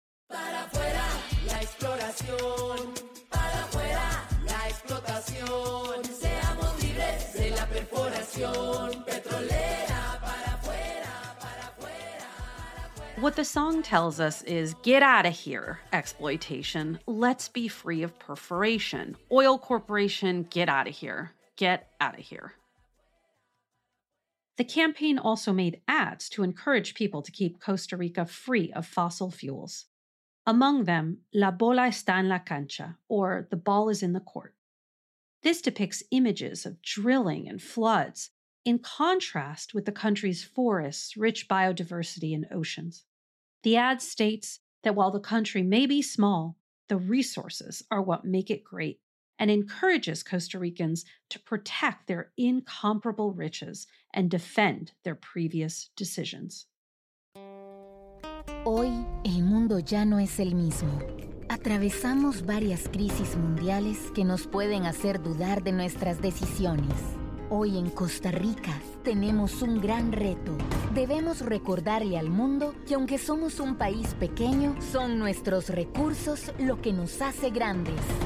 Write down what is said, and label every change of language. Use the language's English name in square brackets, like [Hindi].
[Spanish] Para fuera la exploración, para fuera la explotación, seamos libres de la perforación petrolera, para fuera, para fuera, para fuera. [English] What the song tells us is get out of here, exploitation. Let's be free of perforation. Oil corporation, get out of here. Get out of here. The campaign also made ads to encourage people to keep Costa Rica free of fossil fuels. Among them, La Bola Está en la Cancha, or The Ball is in the Court. This depicts images of drilling and floods, in contrast with the country's forests, rich biodiversity, and oceans. The ad states that while the country may be small, the resources are what make it great, and encourages Costa Ricans to protect their incomparable riches and defend their previous decisions. [Spanish] Hoy, el mundo ya no es el mismo. Atravesamos varias crisis mundiales que nos pueden hacer dudar de nuestras decisiones. Hoy en Costa Rica tenemos un gran reto. Debemos recordarle al mundo que aunque somos un país pequeño, son nuestros recursos lo que nos hace grandes.